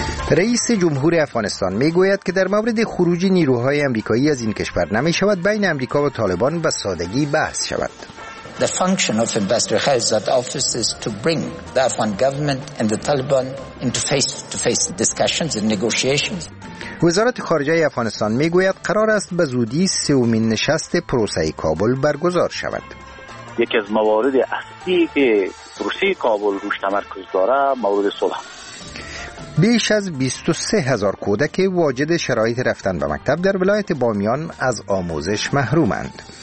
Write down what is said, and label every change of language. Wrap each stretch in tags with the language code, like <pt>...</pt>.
<fa>رئیس جمهور افغانستان میگوید که در مورد خروج نیروهای آمریکایی از این کشور نمی شود بین آمریکا و طالبان به سادگی بحث شود.</fa> <en>The function of Ambassador Khalilzad office is to bring the Afghan government and the Taliban into face-to-face discussions and negotiations.</en> <fa>وزارت خارجه افغانستان میگوید قرار است به زودی سومین نشست پروسه کابل برگزار شود. یکی از موارد اصلی که پروسه کابل روش تمرکز داره مورد صلح. بیش از 23 هزار کودک واجد شرایط رفتن به مکتب در ولایت بامیان از آموزش محرومند.</fa>